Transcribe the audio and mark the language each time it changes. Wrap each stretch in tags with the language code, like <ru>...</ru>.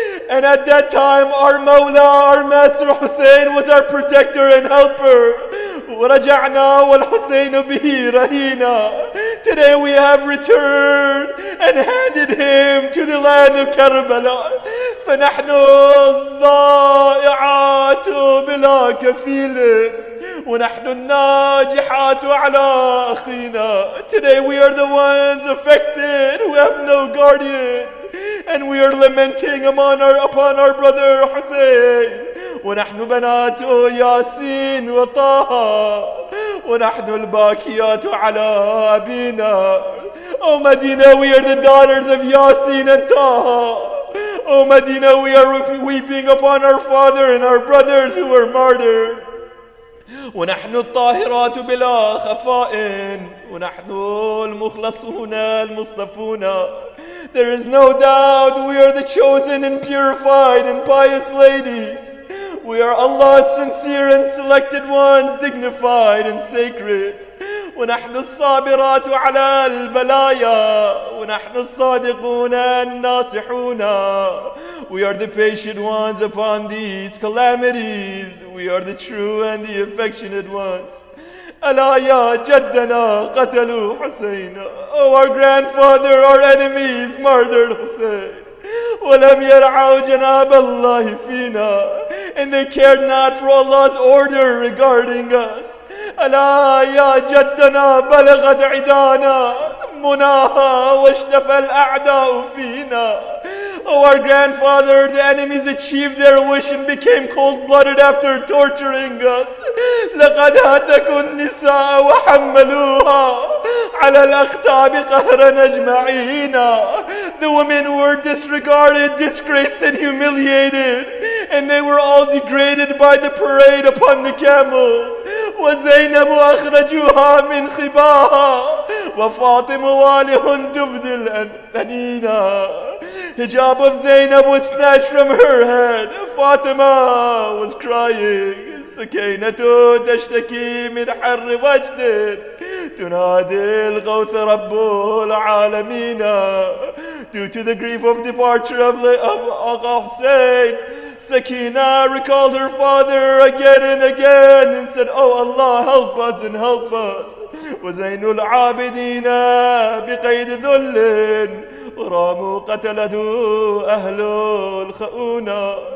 <en>And at that time, our Mawla, our Master Hussein, was our protector and helper.</en> <ar>وَرَجَعْنَا وَالْحُسَيْنُ بِهِ رَهِينَا.</ar> <en>Today we have returned and handed him to the land of Karbala.</en> <ar>فَنَحْنُ الضَّائِعَاتُ بِلَا كَفِيلٍ وَنَحْنُ النَّاجِحَاتُ عَلَىٰ أَخِينَا.</ar> <en>Today we are the ones affected who have no guardian, and we are lamenting upon our brother Hussein.</en> <ar>وَنَحْنُ بَنَاتُ يَاسِينَ وَطَاهَا وَنَحْنُ الْبَاكِيَاتُ عَلَىٰ أَبِينَا.</ar> <en>O Medina, we are the daughters of Yasin and Taha. Oh, Medina, we are weeping upon our father and our brothers who were martyred.</en> <ar>ونحن الطاهرات بلا خفاء ونحن المخلصون المصطفون.</ar> <en>There is no doubt we are the chosen and purified and pious ladies. We are Allah's sincere and selected ones, dignified and sacred.</en> <ar>ونحن الصابرات على البلايا ونحن الصادقون الناصحون.</ar> <en>We are the patient ones upon these calamities. We are the true and the affectionate ones.</en> <ar>ألا يا جدنا قتلوا حسين.</ar> <en>Oh, our grandfather, our enemies murdered Hussein.</en> <ar>ولم يرعوا جناب الله فينا.</ar> <en>And they cared not for Allah's order regarding us.</en> <ar>ألا يا جدنا بلغت عدانا مناها واشتفى الأعداء فينا.</ar> <en>Oh, our grandfather, the enemies achieved their wish and became cold-blooded after torturing us.</en> <ar>لقد هتكوا النساء وحملوها على الأقطاب قهرا أجمعينا.</ar> <en>The women were disregarded, disgraced and humiliated, and they were all degraded by the parade upon the camels.</en> <ar>وزينب أخرجوها من خباها وفاطم والهن تبدل أنينا.</ar> <en>Hijab of Zainab was snatched from her head. Fatima was crying.</en> <ar>سكينتو تشتكي من حر وجد تنادي الغوث رب العالمين.</ar> <en>Due to the grief of departure of Aga Hussein, Sakina recalled her father again and again and said, Oh Allah, help us and help us.</en> <ar>وزين العابدين بقيد ذل ورامو قتلته أهل الخؤونة.</ar>